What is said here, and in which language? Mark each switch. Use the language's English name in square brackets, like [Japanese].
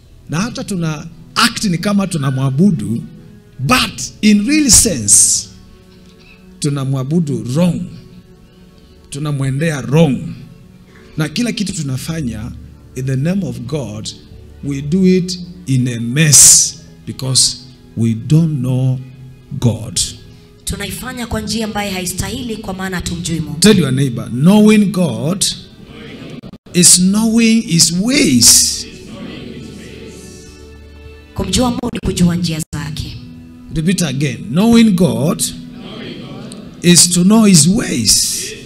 [Swahili] Na hata tuna act ni kama tunamwabudu, [English] but in real sense [Swahili] tunamwabudu wrong. Tunamwendea wrong. Na kila kitu tunafanya [English] in the name of God, we do it in a mess because we don't know God. [Swahili] Tunaifanya kwa njia ambayo haistahili kwa maana tumjui Mungu. [English] Tell your neighbor, knowing God is knowing his ways. [Swahili] Kumjua Mungu ni kujua njia zake. [English] Repeat again. Knowing God is to know his ways.